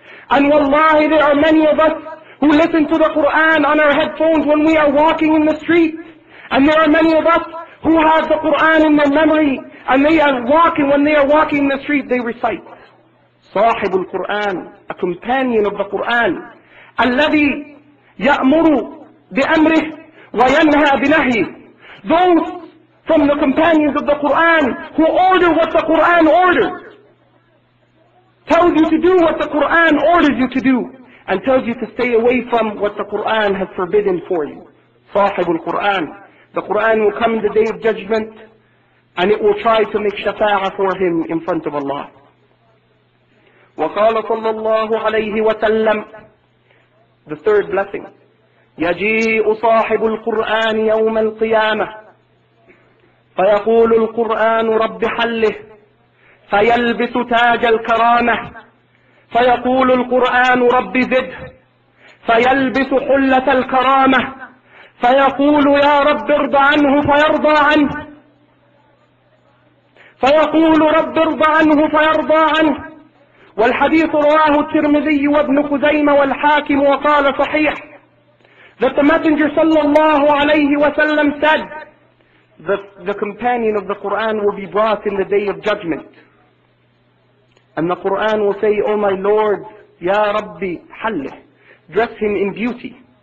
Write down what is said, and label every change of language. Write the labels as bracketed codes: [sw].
[en] And wallahi, there are many of us who listen to the Qur'an on our headphones when we are walking in the street. And there are many of us who have the Qur'an in their memory, and they are walking, when they are walking in the street, they recite. [ar] صاحب القرآن, [en] a companion of the Qur'an. [ar] الذي يأمر بأمره وينهى بنهيه. [en] Those from the companions of the Qur'an who order what the Qur'an orders, tells you to do what the Qur'an orders you to do, and tells you to stay away from what the Qur'an has forbidden for you. [ar] صاحب القرآن. [en] The Qur'an will come in the day of judgment and it will try to make shafa'ah for him in front of Allah. [ar] وقال صلى الله عليه وسلم, [en] the third blessing, [ar] يجيء صاحب القرآن يوم القيامة فيقول القرآن رب حله فيلبس تاج الكرامة فيقول القرآن رب زده فيلبس حلة الكرامة فيقول يا رب ارض عنه فيرضى عنه فيقول رب ارض عنه فيرضى عنه. والحديث رواه الترمذي وابن خزيمة والحاكم وقال صحيح. [en] That the Messenger صلى الله عليه وسلم said, The companion of the Qur'an will be brought in the day of judgment. And the Qur'an will say, O my Lord, [ar] Ya Rabbi, Hallih, [en] dress him in beauty.